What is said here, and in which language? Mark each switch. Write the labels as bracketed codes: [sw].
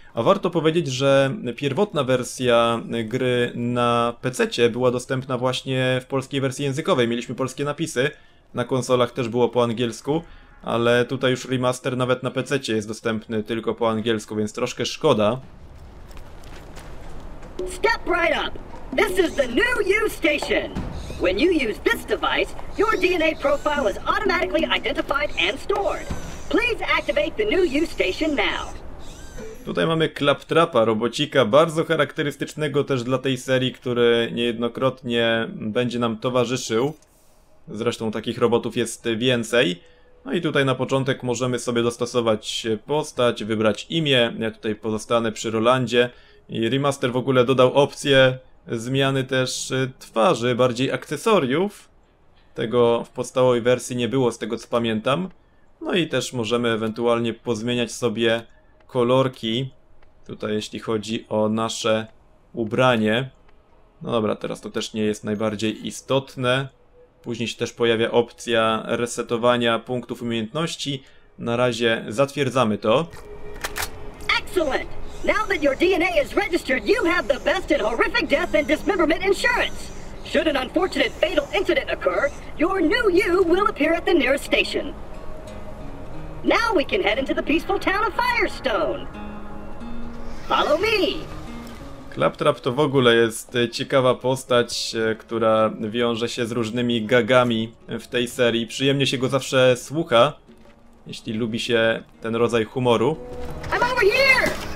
[pl] A warto powiedzieć, że pierwotna wersja gry na PC-cie była dostępna właśnie w polskiej wersji językowej. Mieliśmy polskie napisy, na konsolach też było po angielsku, ale tutaj już remaster nawet na PC-cie jest dostępny tylko po angielsku, więc troszkę szkoda. [en] Step right up! This is the new U Station! When you use this device, your DNA profile is automatically identified and stored. Please activate the new U Station now. [pl] Tutaj mamy Claptrapa, robocika bardzo charakterystycznego też dla tej serii, który niejednokrotnie będzie nam towarzyszył. Zresztą takich robotów jest więcej. No i tutaj na początek możemy sobie dostosować postać, wybrać imię. Ja tutaj pozostanę przy Rolandzie. I remaster w ogóle dodał opcję zmiany też twarzy, bardziej akcesoriów. Tego w podstawowej wersji nie było, z tego co pamiętam. No i też możemy ewentualnie pozmieniać sobie kolorki. Tutaj jeśli chodzi o nasze ubranie. No dobra, teraz to też nie jest najbardziej istotne. Później się też pojawia opcja resetowania punktów umiejętności. Na razie zatwierdzamy to. [en] Excellent! Now that your DNA is registered, you have the best in horrific death and dismemberment insurance. Should an unfortunate fatal incident occur, your new you will appear at the nearest station. Now we can head into the peaceful town of Firestone. Follow me. [pl] Claptrap to w ogóle jest ciekawa postać, która wiąże się z różnymi gagami w tej serii. Przyjemnie się go zawsze słucha, jeśli lubi się ten rodzaj humoru. [en] I'm over here!